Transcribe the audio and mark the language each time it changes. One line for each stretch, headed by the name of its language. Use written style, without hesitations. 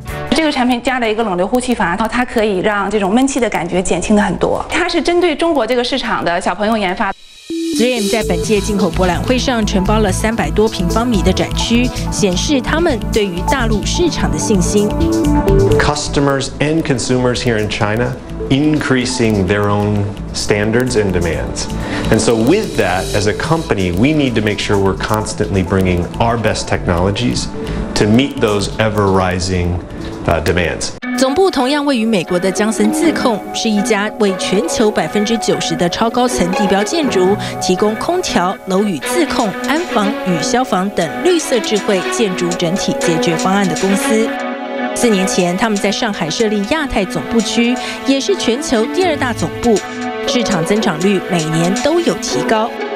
Chinese: 这个产品加了一个冷流呼气阀，然后它可以让这种闷气的感觉减轻的很多。它是针对中国这个市场的小朋友研发。 3M 在本届进口博览会上承包了300多平方米的展区，显示他们对于大陆市场的信心。
English: Customers and consumers here in China increasing their own standards and demands, and so with that, as a company, we need to make sure we're constantly bringing our best technologies to meet those ever-rising demands.
Chinese: 总部同样位于美国的江森自控，是一家为全球90%的超高层地标建筑提供空调、楼宇自控、安防与消防等绿色智慧建筑整体解决方案的公司。 4年前，他们在上海设立亚太总部区，也是全球第二大总部，市场增长率每年都有提高。